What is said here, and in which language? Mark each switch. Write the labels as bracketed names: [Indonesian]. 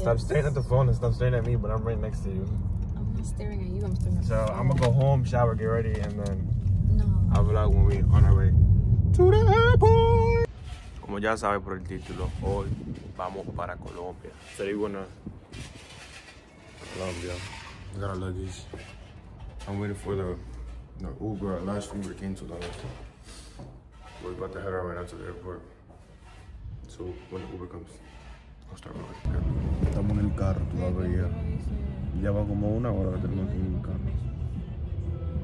[English] Stop staring at the phone and stop staring at me, but I'm right next to you. I'm not staring at you, I'm staring at the phone. So I'm going to go home, shower, get ready, and then no. I'll vlog when we're on our way to the airport. [Spanish] Como ya sabe por el título, hoy vamos para Colombia. [English] So you want to Colombia. We got our luggage. I'm waiting for the Uber. Last Uber came to the hotel. We're about to head out right now to the airport. So when the Uber comes, I'll start rolling. Okay. [Spanish] Estamos en el carro todavía. Ya va como una hora que tenemos aquí en el carro.